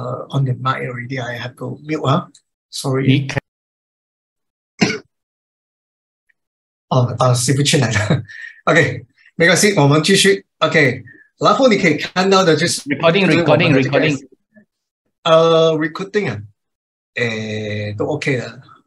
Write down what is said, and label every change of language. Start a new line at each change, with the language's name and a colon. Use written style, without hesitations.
English: On the mic already, I have to mute 啊
Chinese: 你
English: ，Sorry。
Chinese: 看。 Steve 去哪了？OK，没关系，我们继续。 OK，然后你可以看到的就是 我们的这个
English: Recording。
Chinese: recording 啊，都 OK 的。